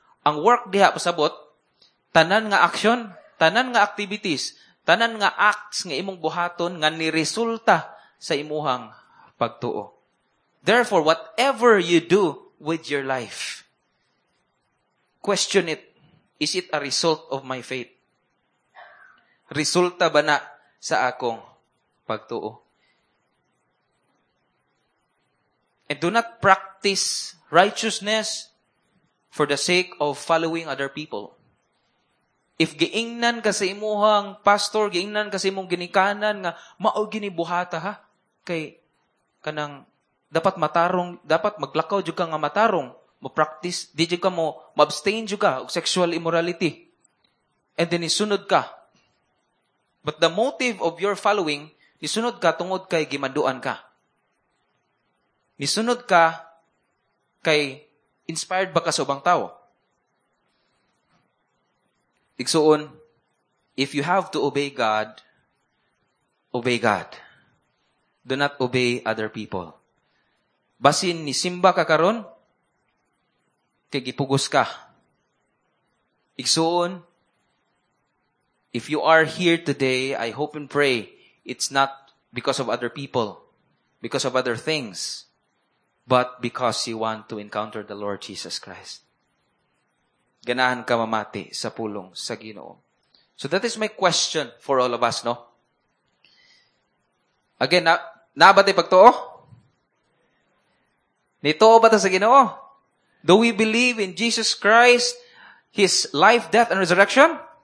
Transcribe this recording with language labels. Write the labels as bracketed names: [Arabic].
[Cebuano] Ang work diha pasabot, tanan nga action, tanan nga activities, tanan nga acts nga imong buhaton nga niresulta sa imuhang pagtuo. [English] Therefore, whatever you do with your life, question it. Is it a result of my faith? [Cebuano] Resulta ba na sa akong pagtuo? [English] And do not practice righteousness for the sake of following other people. [Cebuano] If giingnan ka sa imuhang pastor, giingnan ka sa imong ginikanan nga mao gini buhata ha, kay kanang dapat matarong, dapat maglakaw jud ka nga matarong, mo practice di jud ka mo abstain jud ka og sexual immorality. [English] And then [Cebuano] isunod ka. [English] But the motive of your following, [Cebuano] nisunod ka tungod kay gimanduan ka. Nisunod ka kay inspired ba ka sa ubang tao. [English] Igsuon, if you have to obey God, obey God. Do not obey other people. [Cebuano] Basin nisimba ka karon, kay gipugos ka. [English] Igsuon, if you are here today, I hope and pray it's not because of other people, because of other things, but because you want to encounter the Lord Jesus Christ. [Cebuano] Ganahan ka mamati sa pulong sa Ginoo. [English] So that is my question for all of us, no? [Cebuano] Again, nabati pagtuo? Nituo ba ta sa Ginoo? [English] Do we believe in Jesus Christ, His life, death, and resurrection?